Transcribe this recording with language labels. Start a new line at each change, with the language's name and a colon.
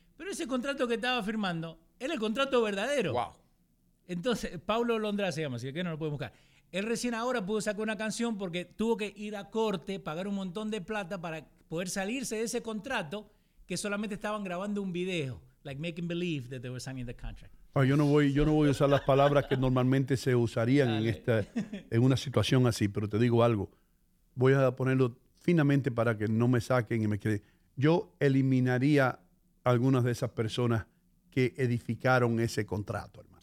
Spanish: Pero ese contrato que estaba firmando era el contrato verdadero. Wow. Entonces, Paulo Londra se llama, así que no lo puede buscar. Él recién ahora pudo sacar una canción porque tuvo que ir a corte, pagar un montón de plata para poder salirse de ese contrato que solamente estaban grabando un video.
English: Like making believe that they were signing the contract.
Spanish: Yo no voy a usar las palabras que normalmente se usarían en una situación así, pero te digo algo. Voy a ponerlo finamente para que no me saquen y me quede. Yo eliminaría algunas de esas personas que edificaron ese contrato, hermano.